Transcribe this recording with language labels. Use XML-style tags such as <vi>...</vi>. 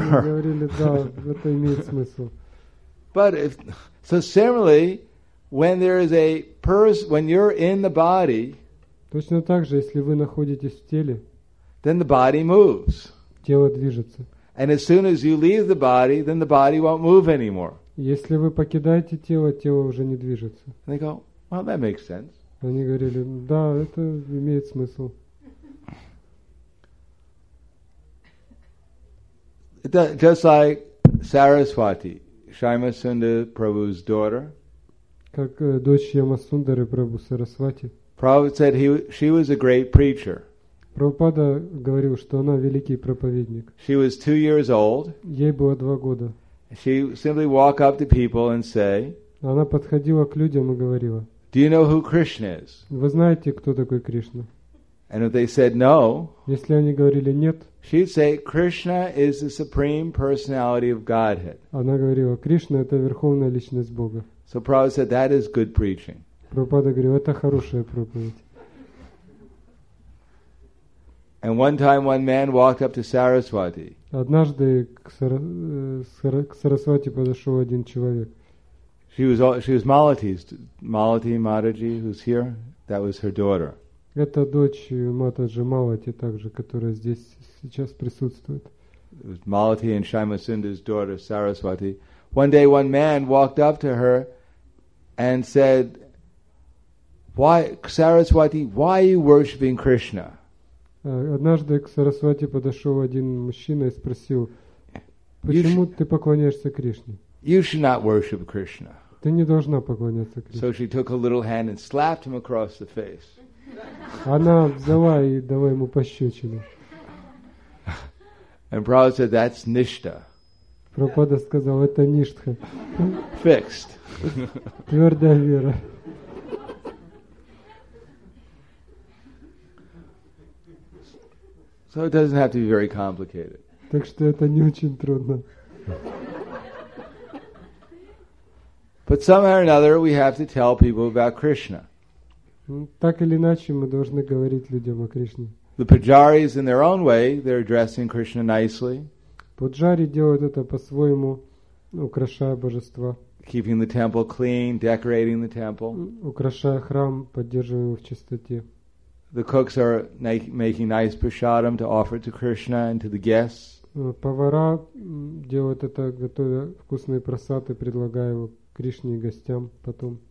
<ru>Они говорили, да, это имеет смысл.</ru> <en>But if, so similarly, when there is a person, when you're in the body,</en> <ru>точно так же, если вы находитесь в теле,</ru> <en>then the body moves.</en> <ru>Тело движется.</ru> <en>And as soon as you leave the body, then the body won't move anymore.</en> <ru>Если вы покидаете тело, тело уже не движется.</ru> <en>And they go, well, that makes sense.</en> <ru>Они говорили, да, это имеет смысл.</ru> <en>Just like Saraswati, Shyamasundar Prabhu's daughter.</en> <ru>Как дочь Шьямасундары Прабху Сарасвати.</ru> <en>Prabhupada said she was a great preacher.</en> <ru>Прабхупада говорил, что она великий проповедник.</ru> <en>She was 2 years old.</en> <ru>Ей было 2 года.</ru> <en>She simply walked up to people and say.</en> <ru>Она подходила к людям и говорила.</ru> <en>Do you know who Krishna is?</en> <ru>Вы знаете, кто такой Кришна?</ru> <en>And if they said no.</en> <ru>Если они говорили нет.</ru> <en>She'd say Krishna is the supreme personality of Godhead.</en> <ru>Она говорила, Кришна это верховная личность Бога.</ru> <en>So Prabhupada said that is good preaching.</en> <ru>Прабхупада говорил, это хорошая проповедь.</ru> <en>And one time one man walked up to Saraswati.</en> <ru>Однажды к Сарасвати подошел один человек.</ru> <en>She was Malati's, Malati Mataji, who's here. That was her daughter.</en> <ru>Это дочь Матаджи Малати также, которая здесь сейчас присутствует.</ru> <en>It was Malati and Shyamasundar's daughter Saraswati. One day one man walked up to her and said, why, Saraswati, why are you worshipping Krishna?</en> <ru>Однажды к Сарасвати подошел один мужчина и спросил, почему ты поклоняешься Кришне?</ru> <en>You should not worship Krishna.</en> <ru>Ты не должна поклоняться Кришне.</ru> <en>So she took a little hand and slapped him across the face.</en> <ru>Она взяла и дала ему пощечину.</ru> <en>And Prabhupada said, that's nishta.</en> <ru>Прабхупада сказал, это ништха.</ru> <en>Fixed.</en> <ru>Твердая вера.</ru> <en>So it doesn't have to be very complicated.</en> <ru>Так что это не очень трудно.</ru> <en>But somehow or another we have to tell people about Krishna.</en> <ru>Так или иначе мы должны говорить людям о Кришне.</ru> <en>The pujaris in their own way, they're addressing Krishna nicely.</en> <ru>Пуджари делают это по-своему, украшая божество.</ru> <en>Keeping the temple clean, decorating the temple.</en> <ru>Украшая храм, поддерживая его в чистоте.</ru> <en>The cooks are making nice prasadam to offer to Krishna and to the guests.</en> <ru>Повара делают это, готовя вкусные прасады, предлагая его Кришне и гостям потом.</ru>